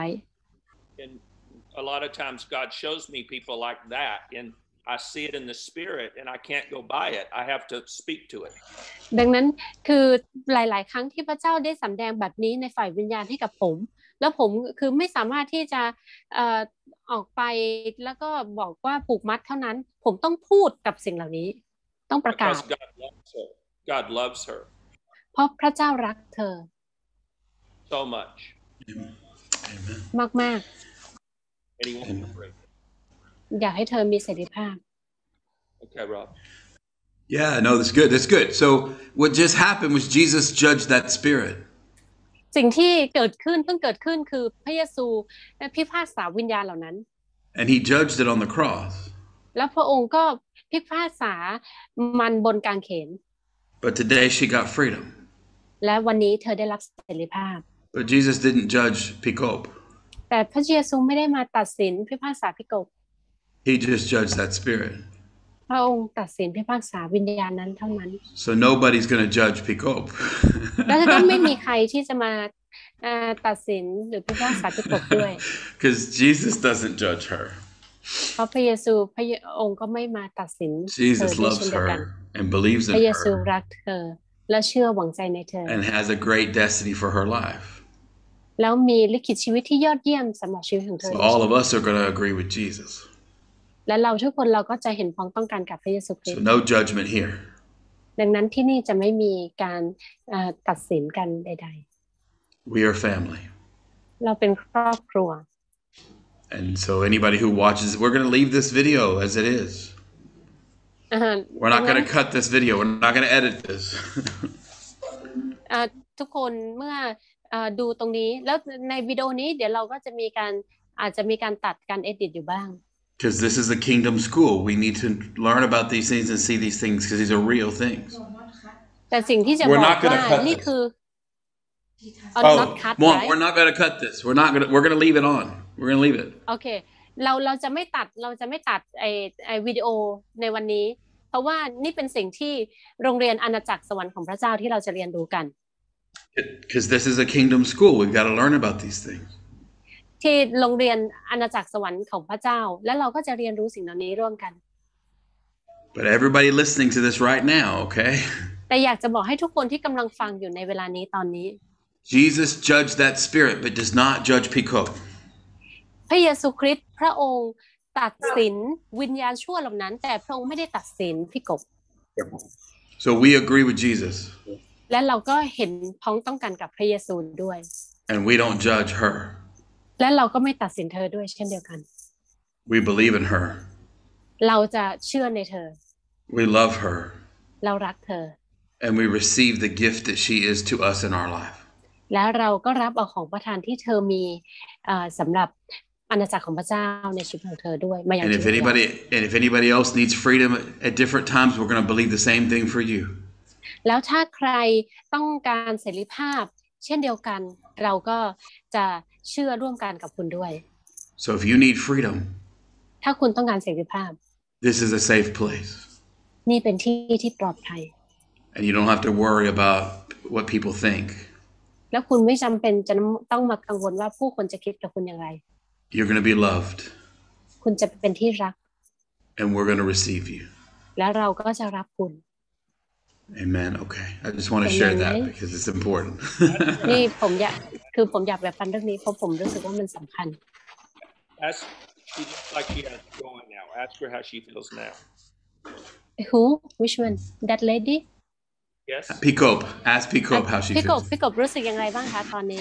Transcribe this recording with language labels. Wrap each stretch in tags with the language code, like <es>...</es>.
<en>And a lot of times God shows me people like that in I see it in the spirit and I can't go by it. I have to speak to it.</en> <th>ดังนั้นคือหลายๆครั้งที่พระเจ้าได้สำแดงแบบนี้ในฝ่ายวิญญาณให้กับผมแล้วผมคือไม่สามารถที่จะออกไปแล้วก็บอกว่าผูกมัดเท่านั้นผมต้องพูดกับสิ่งเหล่านี้ต้องประกาศ</th> <en>God loves her.</en> <th>เพราะพระเจ้ารักเธ</th> <en>อ so much. Amen.</en> <th>มาก</th> <en>ๆ Anyone can pray.</en> <th>อยากให้เธอมีเสรีภาพ</th> <en>Okay, Rob. Yeah, no, that's good. That's good. So, what just happened was Jesus judged that spirit.</en> <th>สิ่งที่เกิดขึ้นเพิ่งเกิดขึ้นคือพระเยซูพิพากษาวิญญาณเหล่านั้น</th> <en>And he judged it on the cross.</en> <th>แล้วพระองค์ก็พิพากษามันบนกางเขน</th> <en>But today she got freedom.</en> <th>และวันนี้เธอได้รับเสรีภาพ</th> <en>But Jesus didn't judge Picop.</en> <th>แต่พระเยซูไม่ได้มาตัดสินพิพากษาพิโกป</th> <en>He just judged that spirit.</en> <th>พระองค์ตัดสินพิพากษาวิญญาณนั้นเท่านั้น</th> <en>So nobody's going to judge Picop.</en> <th>แล้วจะต้องไม่มีใครที่จะมาตัดสินหรือพิพากษาพิโกปด้วย</th> <en>Because Jesus doesn't judge her.</en> <th>เพราะพระเยซูพระองค์ก็ไม่มาตัดสิน</th> <en>Jesus loves her and believes in her.</en> <th>พระเยซูรักเธอและเชื่อหวังใจในเธอ</th> <en>And has a great destiny for her life.</en> <th>แล้วมีลิขิตชีวิตที่ยอดเยี่ยมสำหรับชีวิตของเธอ</th> <en>So all of us are going to agree with Jesus.</en> <th>และเราทุกคนเราก็จะเห็นพ้องต้องการกับพระเยซูคริสต์</th> <en>So no judgment here</en> <th>ดังนั้นที่นี่จะไม่มีการตัดสินกันใด</th> <en>ๆ We are family</en> <th>เราเป็นครอบครัว</th> <en>And so anybody who watches we're going to leave this video as it is We're not going to cut this video we're not going to edit this</en> <th>ทุกคนเมื่อดูตรงนี้แล้วในวิดีโอนี้เดี๋ยวเราก็จะมีการอาจจะมีการตัดการเอดิตอยู่บ้าง</th> <en>Because this is a kingdom school. We need to learn about these things and see these things because these are real things.</en> <th>แต่สิ่งที่จะบอกว่านี่คือ</th> <en>Oh, Mom, we're not going to cut this. We're going to leave it on. We're going to leave it. Okay.</en> <th>เราจะไม่ตัดเราจะไม่ตัดไอวิดีโอในวันนี้เพราะว่านี่เป็นสิ่งที่โรงเรียนอาณาจักรสวรรค์ของพระเจ้าที่เราจะเรียนดูกัน</th> <en>Because this is a kingdom school. We've got to learn about these things.</en> <th>ที่โรงเรียนอาณาจักรสวรรค์ของพระเจ้าแล้วเราก็จะเรียนรู้สิ่งเหล่านี้ร่วมกัน</th> <en>But everybody listening to this right now, okay?</en> <th>แต่อยากจะบอกให้ทุกคนที่กำลังฟังอยู่ในเวลานี้ตอนนี้</th> <en>Jesus judged that spirit but does not judge Picop.</en> <th>พระเยซูคริสต์พระองค์ตัดสินวิญญาณชั่วเหล่านั้นแต่พระองค์ไม่ได้ตัดสินพิกก</th> <en>So we agree with Jesus.</en> <th>และเราก็เห็นพ้องต้องกันกับพระเยซูด้วย</th> <en>And we don't judge her</en> <th>และเราก็ไม่ตัดสินเธอด้วยเช่นเดียวกัน</th> <en>We believe in her</en> <th>เราจะเชื่อในเธ</th> <en>อ We love her</en> <th>เรารักเธอ</th> <en>And we receive the gift that she is to us in our life</en> <th>และเราก็รับเอาของประทานที่เธอมีสำหรับอาณาจักรของพระเจ้าในชีวิตของเธอด้วยมาอย่าง เดียวกัน</th> <en>And if anybody else needs freedom at different times we're going to believe the same thing for you</en> <th>แล้วถ้าใครต้องการเสรีภาพเช่นเดียวกันเราก็จะเชื่อร่วมกันกับคุณด้วย</th> <en>So if you need freedom</en> <th>ถ้าคุณต้องการเสรีภาพ</th> <en>This is a safe place</en> <th>นี่เป็นที่ที่ปลอดภัย</th> <en>And you don't have to worry about what people think</en> <th>แล้วคุณไม่จำเป็นจะต้องมากังวลว่าผู้คนจะคิดกับคุณอย่างไร</th> <en>You're going to be loved</en> <th>คุณจะเป็นที่รัก</th> <en>And we're going to receive you</en> <th>แล้วเราก็จะรับคุณ</th> <en>Amen. Okay. I just want to share that because it's important.</en> <th>นี่ผมอยากคือผมอยากแบบฟังเรื่องนี้เพราะผมรู้สึกว่ามันสำคัญ</th> <en>Ask she just like she has going now. Ask her how she feels now. Who? Which one? That lady? Yes. Picop. Ask Picop how she feels.</en> <th>Picop รู้สึกยังไงบ้างคะตอนนี</th>